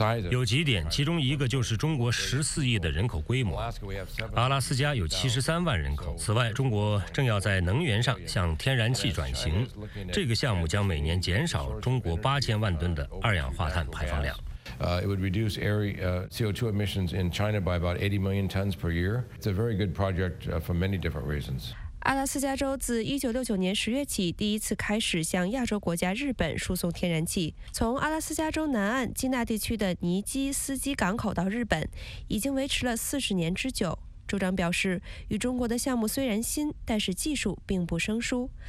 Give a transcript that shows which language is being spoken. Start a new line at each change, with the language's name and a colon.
Chinese: 有几点，其中一个就是中国14亿的人口规模，阿拉斯加有73万人口。此外，中国正要在能源上向天然气转型，这个项目将每年减少中国8000万吨的二氧化碳排放量。
English: It would reduce CO2 emissions in China by about 80 million tons per year. It's a very good project for many different reasons.
Chinese: 阿拉斯加州自1969年10月起第一次开始向亚洲国家日本输送天然气。从阿拉斯加州南岸基纳地区的尼基斯基港口到日本，已经维持了40年之久。州长表示，与中国的项目虽然新，但是技术并不生疏。